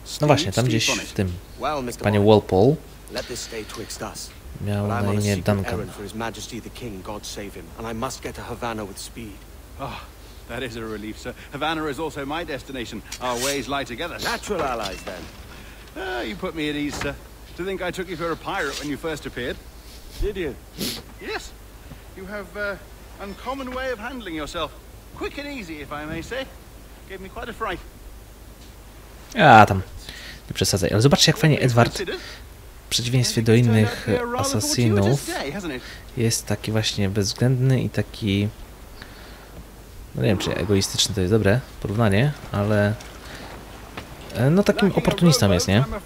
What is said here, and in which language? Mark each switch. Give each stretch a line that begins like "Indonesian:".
Polish: No właśnie, tam gdzieś w tym,
English: well, Mr.
Polish: panie Walpole.
English: Let this stay twixt us.
Polish: Miał na imię Duncan.
English: For his majesty the king, God save him, and I must get to Havana with speed. Oh, that is a relief, sir. Havana is also my destination. Our ways lie together. Natural allies, then. Ah, you put me at ease, sir. To think I took you for a pirate when you first appeared. Did you? Yes. You have an uncommon way of handling yourself. Quick and easy, if I may say. Gave me quite a fright.
Polish: Tam. Nie przesadzaj. Ale zobaczcie, jak fajnie Edward, w przeciwieństwie do innych asasinów, jest taki właśnie bezwzględny i taki, no nie wiem, czy egoistyczny to jest dobre porównanie, ale no takim oportunistą jest, nie?